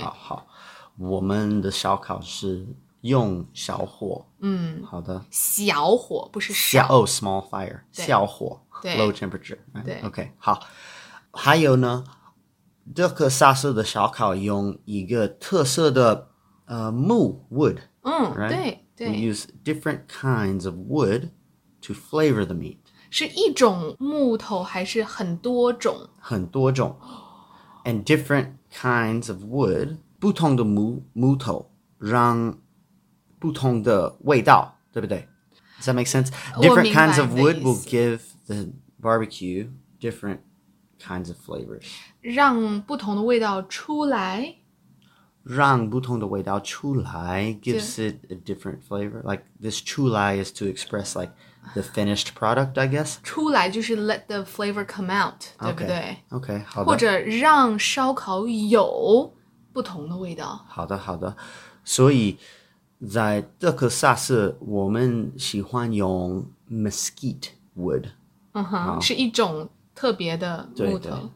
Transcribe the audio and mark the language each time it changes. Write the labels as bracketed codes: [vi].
[zh] 好。我们的烧烤是用小火。好的。小火不是小。 [en] Small fire. [zh] 小火。对。 [en] Low temperature. Right? [zh] 对。 [en] OK, 好。 [zh] 还有呢德克萨斯的烧烤用一个特色的木 wood。 [en] Right? [zh] 对对 [en] We use different kinds of wood to flavor the meat. [zh] 是一种木头还是很多种很多种 [en] And different kinds of wood, [zh] 不同的木头让不同的味道对不对 [en] Does that make sense? Different kinds of wood will give the barbecue different kinds of flavors. [zh] 让不同的味道出来让不同的味道出来 [en] gives it a different flavor. Like this 出来 is to express like the finished product, I guess. [zh] 出来就是 [en] let the flavor come out, [zh] 对不对 [en] okay, 好的。 [zh] 或者让烧烤有不同的味道。好的好的。所以在德克萨斯我们喜欢用 mesquite wood. 是一种特别的木头。